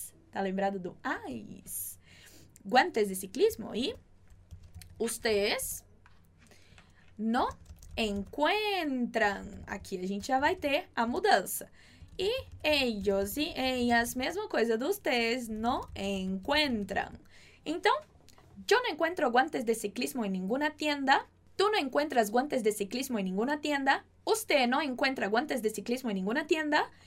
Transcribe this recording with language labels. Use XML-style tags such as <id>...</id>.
<pt>Tá lembrado do ais?</pt> <es>Guantes de ciclismo. E ustedes no encuentran.</es> <pt>Aqui a gente já vai ter a mudança.</pt> <es>E ellos y ellas,</es> <pt>mesma coisa de</pt> <es>ustedes, no encuentran. Então, yo no encuentro guantes de ciclismo en ninguna tienda. Tú no encuentras guantes de ciclismo en ninguna tienda. Usted no encuentra guantes de ciclismo en ninguna tienda.</es>